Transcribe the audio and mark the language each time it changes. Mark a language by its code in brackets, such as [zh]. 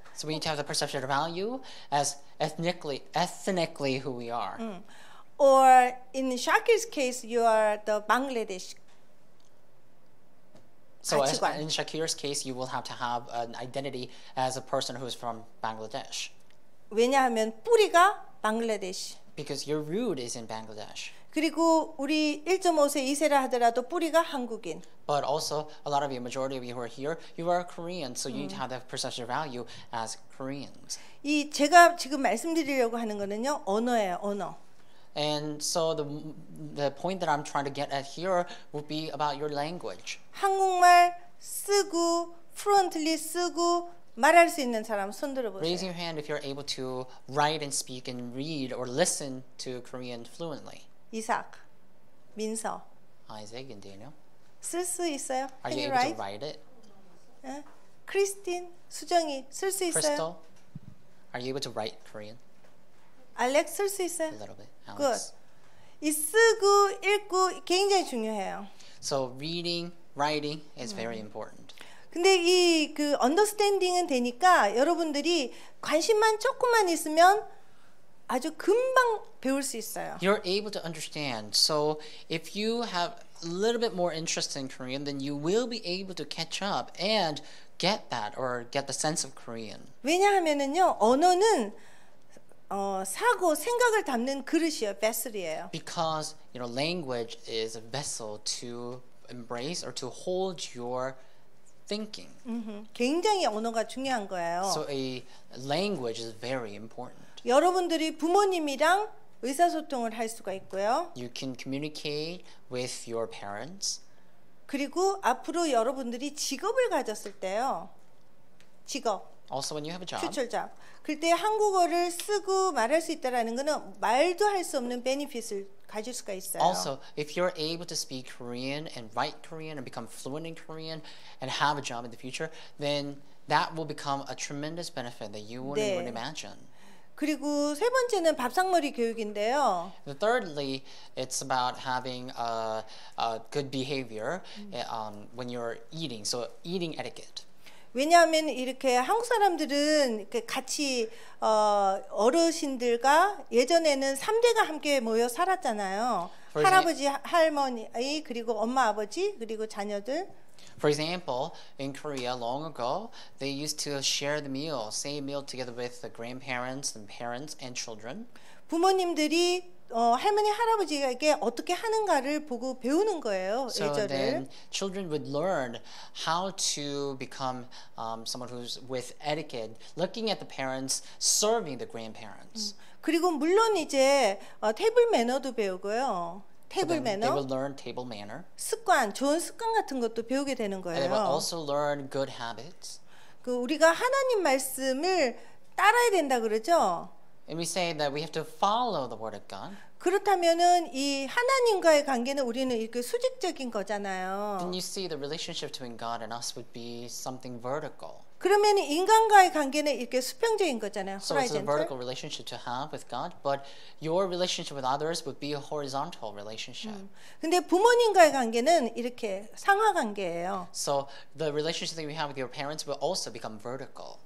[en] So we need to have the perception of value as ethnically who we are. Or in Shakir's case, you are the Bangladesh. So in Shakir's case, you will have to have an identity as a person who is from Bangladesh. [ko] 왜냐하면 뿌리가 Bangladesh. [en] Because your root is in Bangladesh. [ko] 그리고 우리 1.5세 2세라 하더라도 뿌리가 한국인. [en] But also, a lot of you, majority of you who are here, you are Korean, so you need to have that perception of value as Koreans. [ko] 이 제가 지금 말씀드리려고 하는 거는요, 언어예요, 언어. [en] And so the point that I'm trying to get at here would be about your language. [ko] 한국말 쓰고, fluently 쓰고, 말할 수 있는 사람 손 들어보세요. [en] Raise your hand if you're able to write and speak and read or listen to Korean fluently. [ko] 이삭, 민서. [en] Isaac and Daniel. [ko] 쓸 수 있어요? [en] Are you able to write it? [ko] 크리스틴, 수정이 쓸 수 있어요? [en] Crystal, are you able to write Korean? [ko] Alex, 쓸 수 있어요? [en] A little bit. Alex. Good. [ko] 이 쓰고 읽고 굉장히 중요해요. [en] So reading, writing is very important. [ko] 근데 이 그 understanding은 되니까 여러분들이 관심만 조금만 있으면 아주 금방 배울 수 있어요. [en] You're able to understand. So if you have a little bit more interest in Korean, then you will be able to catch up and get that or get the sense of Korean. [ko] 왜냐하면은요, 언어는 사고 생각을 담는 그릇이에요, vessel이에요. [en] Because you know, language is a vessel to embrace or to hold your thinking. [ko] 굉장히 언어가 중요한 거예요. [en] So a language is very important. [ko] 여러분들이 부모님이랑 의사소통을 할 수가 있고요. [en] You can communicate with your parents. [ko] 그리고 앞으로 여러분들이 직업을 가졌을 때요. 직업. [en] Also when you have a job. 퓨처 잡. [ko] 그때 한국어를 쓰고 말할 수 있다라는 거는 말도 할 수 없는 베네핏을 가질 수가 있어요. [en] Also, if you're able to speak Korean and write Korean and become fluent in Korean and have a job in the future, then that will become a tremendous benefit that you wouldn't even imagine. [ko] 그리고 세 번째는 밥상머리 교육인데요. [en] And thirdly, it's about having a good behavior when you're eating. So eating etiquette. [ko] 왜냐하면 이렇게 한국 사람들은 같이 어르신들과 예전에는 3대가 함께 모여 살았잖아요. 할아버지, 할머니, 그리고 엄마, 아버지, 그리고 자녀들. [en] For example, in Korea long ago, they used to share the meal, same meal together with the grandparents, the parents, and children. [ko] 부모님들이 할머니 할아버지에게 어떻게 하는가를 보고 배우는 거예요. 1절을. [en] So then children would learn how to become someone who's with etiquette, looking at the parents serving the grandparents. [ko] 그리고 물론 이제 테이블 매너도 배우고요. 테이블 매너. [en] They will learn table manner. [ko] 습관, 좋은 습관 같은 것도 배우게 되는 거예요. [en] And they will also learn good habits. [ko] 그 우리가 하나님 말씀을 따라야 된다 그러죠? [en] And we say that we have to follow the word of God. [ko] 그렇다면은 이 하나님과의 관계는 우리는 이렇게 수직적인 거잖아요. [en] Then you see the relationship between God and us would be something vertical. [ko] 그러면 인간과의 관계는 이렇게 수평적인 거잖아요. [en] So it's a vertical relationship to have with God, but your relationship with others would be a horizontal relationship. [ko] 근데 부모님과의 관계는 이렇게 상하 관계예요. [en] So the relationship that you have with your parents will also become vertical.